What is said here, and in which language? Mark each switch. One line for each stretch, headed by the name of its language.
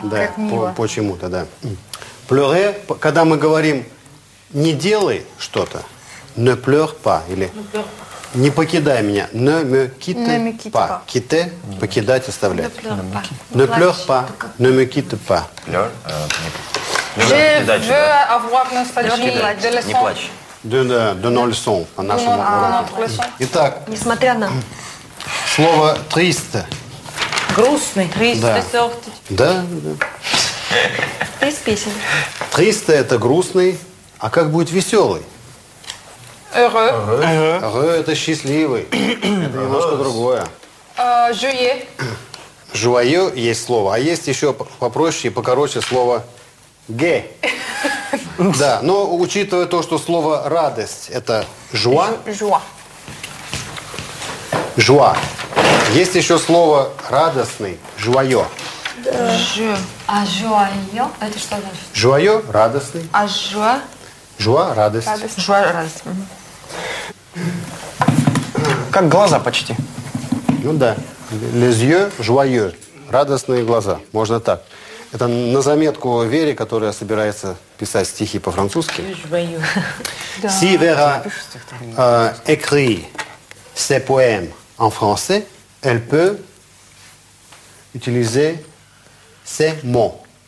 Russian: Да, почему-то, да. Pleurer, когда мы говорим «не делай что-то»,
French: «ne pleure pas»
Russian: или «не покидай меня»,
French: «ne me quitte pas».
Russian: «Quitte» – покидать, оставлять.
French: «Ne pleure pas», «ne me quitte pas». «Je veux avoir nostalgie de la leçon». «De nos leçons»,
Russian: по нашему уроку. Итак, несмотря на слово «triste». «Грустный».
French: «Triste».
Russian: Да.
French: Triste,
Russian: это грустный. А как будет веселый?
French: Heureux. Heureux,
Russian: это счастливый. Это немножко другое.
French: Joyeux. Joyeux
Russian: есть слово. А есть еще попроще и покороче слово gay. Да, но учитывая то, что слово радость, это joie.
French: Joie.
Russian: Есть еще слово радостный, joyeux. Да.
French: Жу.
Russian: А
French: жуайо?
Russian: Это что значит? Жуайо? Радостный. А жуа? Жуа? Радость. Радость. Жуа? Радость. Угу. Как глаза почти. Ну да.
French: Les yeux joyeux.
Russian: Радостные глаза. Можно так. Это на заметку Вере, которая собирается писать стихи по-французски.
French: Жуайо. Si Vera écrit ses poèmes en français, elle peut utiliser ce mot.